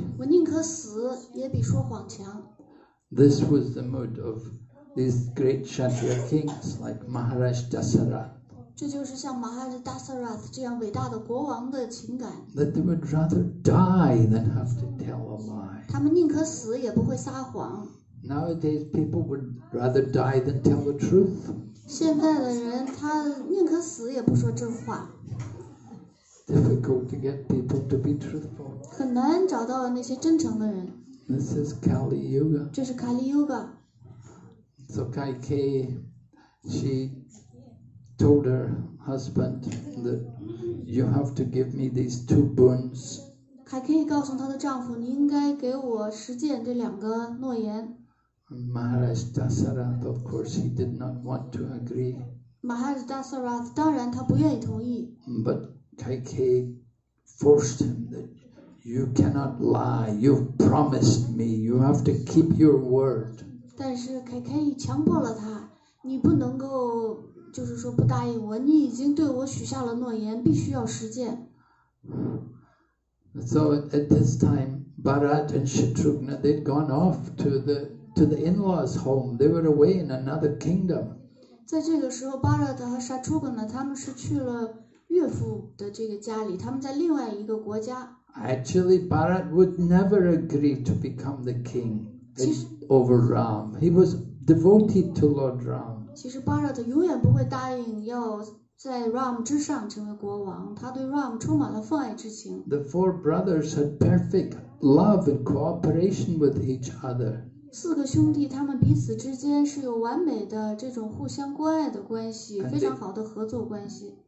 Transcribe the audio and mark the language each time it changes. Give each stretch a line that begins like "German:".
Chinese: 我宁可死也比说谎强。
English: This was the mood of these great Kshatriya kings like Maharaj Dasarath.
Chinese: 这就是像 Maharaj Dasarath 这样伟大的国王的情感。
English: That they would rather die than have to tell a lie.
Chinese: 他们宁可死也不会撒谎。
English: Nowadays, people would rather die than tell the truth.
Chinese: 现在的人他宁可死也不说真话。
English: Difficult to get people to be truthful.
Chinese: 很难找到那些真诚的人。
English: This is Kali Yuga.
Chinese: 这是 Kali Yuga.
English: So Kaikei, she told her husband that you have to give me these two boons.
Chinese: 凯凯告诉她的丈夫，你应该给我实践这两个诺言。
English: Maharaj Dasarath, of course, he did not want to agree.
Chinese: Maharaj Dasarath, 当然他不愿意同意。
English: But Kaikei forced him that you cannot lie. You've promised me. You have to keep your word.
Chinese: 但是凯凯强迫了他，你不能够就是说不答应我。你已经对我许下了诺言，必须要实践。
English: So at this time, Bharat and Shatrughna, they'd gone off to the in-law's home. They were away in another kingdom.
Chinese: 在这个时候 ，Bharat 和 Shatrughna 他们是去了岳父的这个家里，他们在另外一个国家。
English: Actually, Bharat would never agree to become the king over Ram. He was devoted to Lord Ram.
Chinese: 其实 Bharat 永远不会答应要。在 Ram 之上成为国王，他对 Ram 充满了奉爱之情。
English: The four brothers had perfect love and cooperation with each other.
Chinese: 四个兄弟他们彼此之间是有完美的这种互相关爱的关系，非常好的合作关系。